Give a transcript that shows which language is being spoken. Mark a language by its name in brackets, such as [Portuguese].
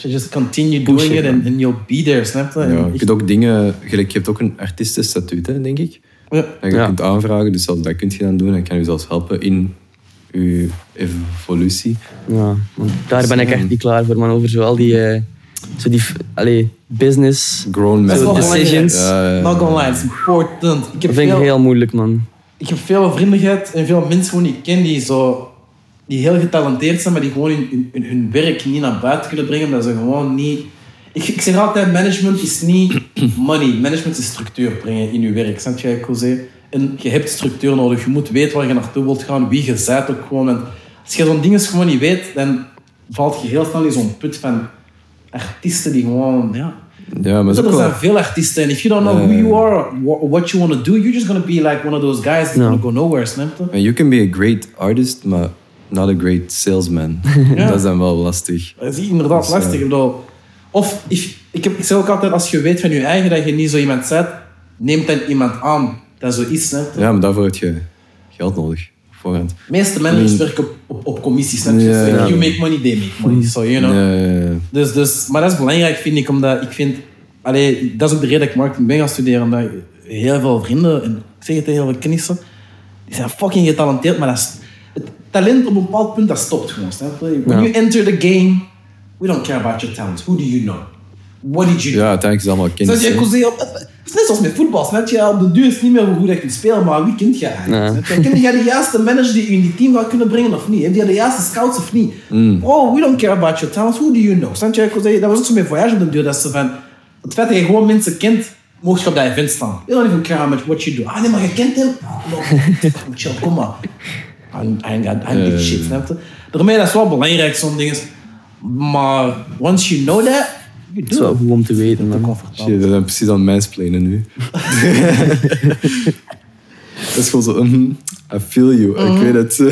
[English] Just continue doing it and you'll be there, [Dutch] snap je? Je hebt ook dingen, gelijk, je hebt ook een artiestenstatuut, hè, denk ik. Ja. En je kunt aanvragen, dus dat kun je dan doen en kan je zelfs helpen in je evolutie. Ja, man. Daar ben ik echt niet klaar voor, man. Over zowel die, zo die allee, business, [English] grown man decisions. Not gonna lie, it's important. [Dutch] Dat vind ik heel moeilijk, man. ik heb veel vrienden gehad en veel mensen gewoon die ik ken die zo, die heel getalenteerd zijn, maar die gewoon in hun werk niet naar buiten kunnen brengen, omdat ze gewoon niet... Ik zeg altijd, management is niet money. Management is structuur brengen in je werk. Snap je, Cosé? En je hebt structuur nodig. Je moet weten waar je naartoe wilt gaan, wie je bent ook gewoon. En als je zo'n dingen gewoon niet weet, dan valt je heel snel in zo'n put van artiesten die gewoon... Ja, ja, maar dat zijn veel artiesten. [English] En if you don't know who you are, what you want to do, you're just going to be like one of those guys that's going to go nowhere, [Dutch] snap je? [English] You can be a great artist, but not a great salesman. [Dutch] Ja. Dat is dan wel lastig. Dat is inderdaad lastig. Of ik zeg ook altijd, als je weet van je eigen dat je niet zo iemand bent, neem dan iemand aan. Dat is zoiets, hè. Ja, maar daarvoor heb je geld nodig. Voorhand. De meeste managers werken op commissies. [English] Yeah, yeah. You make money, they make money. So, you know. Yeah, yeah. [Dutch] Dus, maar dat is belangrijk, vind ik. Omdat ik vind... Allee, dat is ook de reden dat ik marketing ben gaan studeren. Omdat heel veel vrienden, en ik zeg het tegen heel veel kennissen, die zijn fucking getalenteerd. Maar dat is, het talent op een bepaald punt, dat stopt gewoon. [English] When you enter the game, we don't care about your talent. Who do you know? What did you do? [Dutch] Ja, uiteindelijk is het allemaal kennis. Het is net zoals met voetbal. Snap je? Op de duur is het niet meer hoe goed je kunt spelen, maar wie kent je eigenlijk? Ken je de juiste manager die je in die team zou kunnen brengen of niet? Heb je de juiste scouts of niet? Mm. [English] Oh, we don't care about your talent. Who do you know? [Dutch] Snap je? Dat was ook zo met Voyage op de duur. Dat ze van, het feit dat je gewoon mensen kent, mocht je op dat event staan. [English] You don't even care about what you do. [Dutch] Ah, nee, maar je kent hem? [English] No. Chill, [Dutch] kom maar. [English] I'm this shit, [Dutch] snap je? Daarmee, dat is wel belangrijk, zo'n ding. [English] Maar once you know that, [Dutch] het is wel goed om te weten. Ja, dat zijn precies aan mansplainen nu. Dat is gewoon zo, [English] I feel you, [Dutch] mm-hmm. Ik weet het.